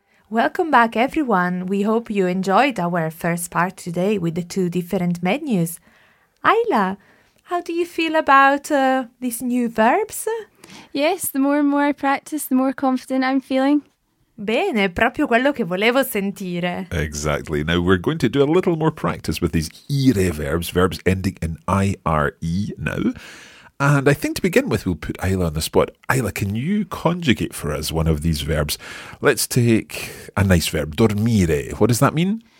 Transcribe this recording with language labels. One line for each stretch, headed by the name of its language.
English: Welcome back, everyone. We hope you enjoyed our first part today with the two different menus. Ayla, how do you feel about these new verbs? Yes, the more and more I practice, the more confident I'm feeling.
Italian: Bene, proprio quello che volevo sentire.
English: Exactly. Now, we're going to do a little more practice with these ire verbs ending in I-R-E now. And I think to begin with, we'll put Ayla on the spot. Ayla, can you conjugate for us one of these verbs? Let's take a nice verb, dormire. What does that mean?